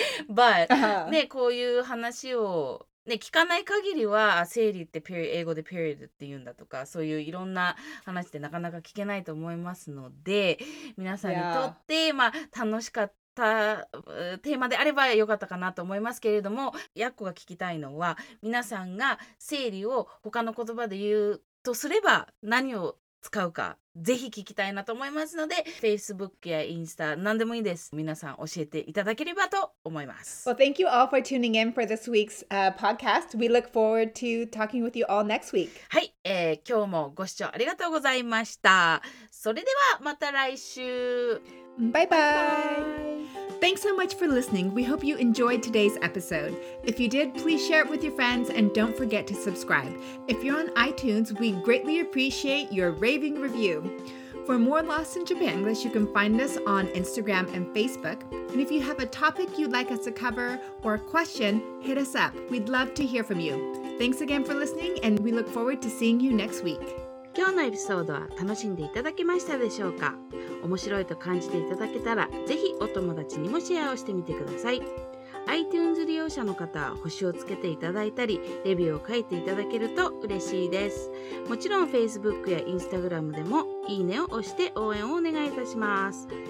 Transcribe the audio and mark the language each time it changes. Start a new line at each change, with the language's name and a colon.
Japanese: But, ね、こういう話を、ね、聞かない限りは、生理って英語で period って言うんだとか、そういういろんな話ってなかなか聞けないと思いますので、皆さんにとって、まあ、楽しかったテーマであればよかったかなと思いますけれども、ヤッコが聞きたいのは、皆さんが生理を他の言葉で言うとすれば、何を使うか、ぜひ聞きたいなと思いますので、Facebook やインスタ、何でもいいです。皆さん教えていただければと思います。
English: Well, thank you all for tuning in for this week's podcast. We look forward to talking with you all next week.
Japanese: はい、今日もご視聴ありがとうございました。それではまた来週。
English: Bye bye! Thanks so much for listening. We hope you enjoyed today's episode. If you did, please share it with your friends and don't forget to subscribe. If you're on iTunes, we greatly appreciate your raving review. For more Lost in Japanglish, you can find us on Instagram and Facebook. And if you have a topic you'd like us to cover or a question, hit us up. We'd love to hear from you. Thanks again for listening and we look forward to seeing you next week.
Japanese: 今日のエピソードは楽しんでいただけましたでしょうか。面白いと感じていただけたら、ぜひお友達にもシェアをしてみてください。 iTunes 利用者の方は星をつけていただいたり、レビューを書いていただけると嬉しいです。もちろん Facebook や Instagram でもいいねを押して応援をお願いいたします。